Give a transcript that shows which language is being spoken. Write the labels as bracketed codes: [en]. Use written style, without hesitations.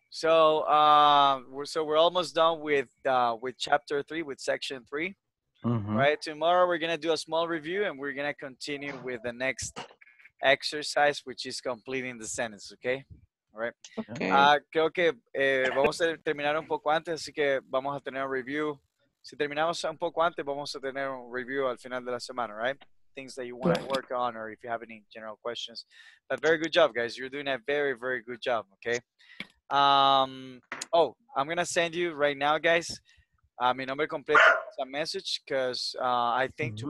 [en] So we're almost done with chapter 3, with section 3. Mm-hmm. Right? Tomorrow we're going to do a small review and we're going to continue with the next exercise, which is completing the sentence, okay? All right. Okay. [es] Creo que vamos a terminar un poco antes, así que vamos a tener un review. Si terminamos un poco antes, vamos a tener un review al final de la semana, right? [en] Things that you want to work on or if you have any general questions. But very good job, guys. You're doing a very, very good job, okay? I'm going to send you right now, guys, [es] mi nombre completo es [en] a message because I think mm-hmm.